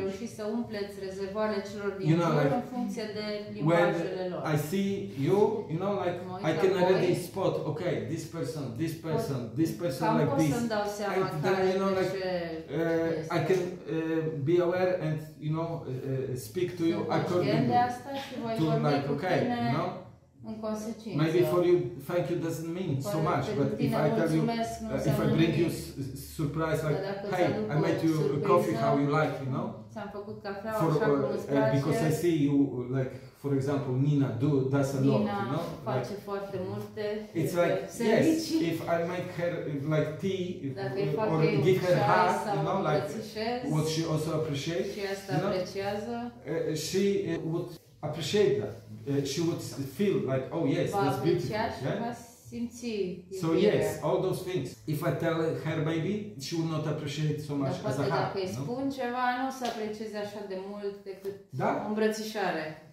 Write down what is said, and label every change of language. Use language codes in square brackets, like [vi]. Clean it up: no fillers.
[ro] Reuși să umpleți rezervoarele celor din jur în funcție de limbajele lor. [en] I see you, you know, like I can already spot, okay, this person, this person, this person [ro] cam [en] like this. [ro] Cam pot să-mi dau seama [en] and then, you know, like, I can be aware and, you know, speak to you accordingly. [ro] De asta și voi vorbi [en] like, [ro] cu [en] okay, [ro] tine. [en] You know? [ro] În consecință. [en] Maybe for you, thank you doesn't mean so much, but if I tell you, if I bring you surprise, like, hey, I made you a coffee, how you like, you know? [ro] Ți-am făcut cafea, așa cum îți place. [en] Because I see you, like, for example, Nina does a lot, you know? [ro] Nina face foarte multe. [en] It's like, yes, if I make her, like, tea, or give her hug, you know, like, what she also appreciates, [ro] și asta apreciază. [en] She would appreciate that. She would feel like, oh yes, that's beautiful. Yeah? [ro] simți iubire. [en] So yes, all those things. If I tell her baby, she will not appreciate so much as a hug. [ro] Dacă îi spun ceva, nu o să aprecieze așa de mult decât o îmbrățișare.